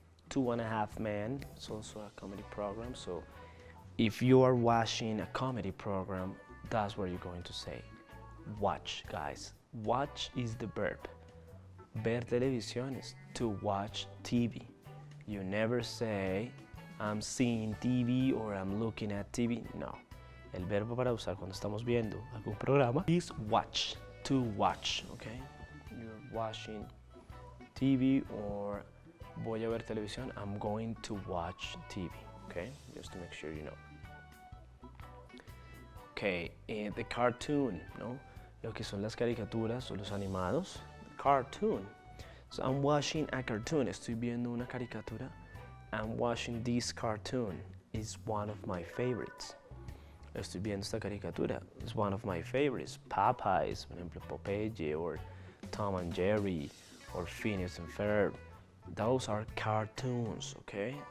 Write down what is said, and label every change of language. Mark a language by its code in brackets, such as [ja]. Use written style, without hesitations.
[en] 2 and a Half Men is also a comedy program. So if you are watching a comedy program, that's where you're going to say, watch, guys. Watch is the verb. [es] Ver televisión [en] is to watch TV. You never say, I'm seeing TV or I'm looking at TV. No. [es] El verbo para usar cuando estamos viendo algún programa [en] is watch, to watch, [es] okay? [en] Watching TV or [es] voy a ver televisión, [en] I'm going to watch TV, okay? Just to make sure you know. Okay, the cartoon, no? [es] Lo que son las caricaturas o los animados. [en] Cartoon. So I'm watching a cartoon, [es] estoy viendo una caricatura. [en] I'm watching this cartoon, it's one of my favorites. [es] Estoy viendo esta caricatura, [en] it's one of my favorites. Popeyes, [es] por ejemplo, [en] Popeye or Tom and Jerry, or Phineas and Ferb, those are cartoons, okay?